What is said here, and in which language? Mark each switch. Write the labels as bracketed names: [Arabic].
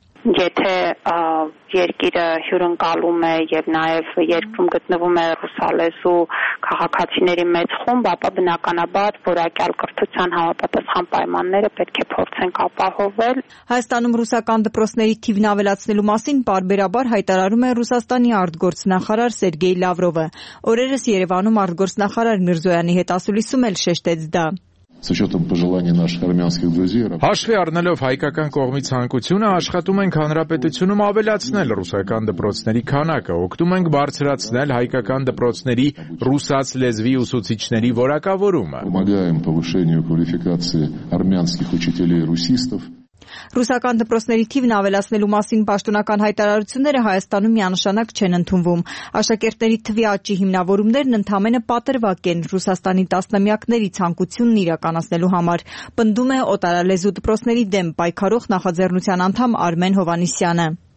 [Armenian] Եթե երկիրը հյուրընկալում է և նաև երկրում գտնվում է ռուսալեզու քաղաքացիների մեծ խումբ, ապա բնականաբար որակյալ կրթության համապատասխան պայմանները պետք է փորձենք ապահովել։ Հայաստանում ռուսական դպրոցների թիվն ավելացնելու մասին պարբերաբար հայտարարում է Ռուսաստանի արտգործնախարար Սերգեյ Լավրովը։ Օրերս Երևանում արտգործնախարար Միրզոյանի հետ ասուլիսում էլ շեշտեց դա։ [Russian] С учетом пожеланий наших армянских друзей. [Armenian] Հաշվի առնելով հայկական կողմի ցանկությունը, աշխատում ենք հանրապետությունում ավելացնել ռուսական դպրոցների քանակը, օգտում ենք բարձրացնել հայկական դպրոցների ռուսաց լեզվի ուսուցիչների որակավորումը։ [Russian] Помогаем повышению квалификации армянских учителей-русистов. [Armenian] Ռուսական դպրոցների թիվն ավելացնելու մասին պաշտոնական հայտարարությունները Հայաստանում միանշանակ չեն ընդունվում։ Աշակերտների թվի աճի հիմնավորումներն ընդամենը պատրվակ են Ռուսաստանի տասնամյակների ցանկությունն իրականացնելու համար, պնդում է օտարալեզու դպրոցների դեմ պայքարող նախաձեռնության անդամ Արմեն Հովանիսյանը։